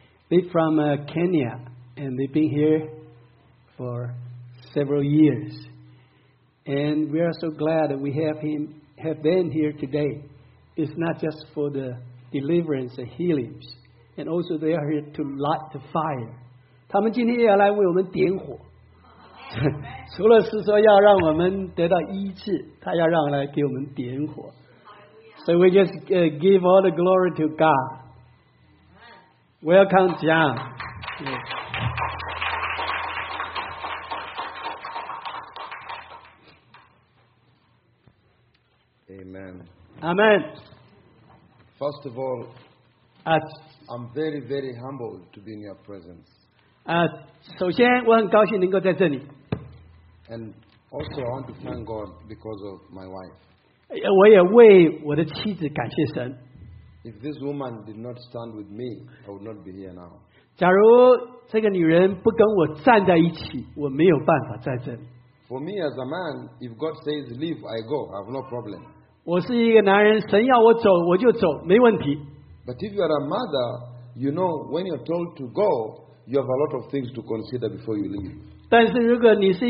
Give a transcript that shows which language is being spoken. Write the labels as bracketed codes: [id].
[en] They're from Kenya, and they've been here for several years. And we are so glad that we have them here today. It's not just for the deliverance and healings, and also they are here to light the fire. [zh] 他们今天要来为我们点火。除了是说要让我们得到医治，他要让来给我们点火。 [en] So we just give all the glory to God. Welcome, John. Amen. Amen. First of all, I'm very, very humbled to be in your presence. [zh] 首先我很高兴能够在这里。 [en] And also, I want to thank God because of my wife. [zh] 我也为我的妻子感谢神。 [en] If this woman did not stand with me, I would not be here now. [zh] 假如这个女人不跟我站在一起，我没有办法在这里。 [en] For me as a man, if God says leave, I go. I have no problem. [zh] 我是一个男人，神要我走，我就走，没问题。 [en] But if you are a mother, you know when you're told to go, you have a lot of things to consider before you leave.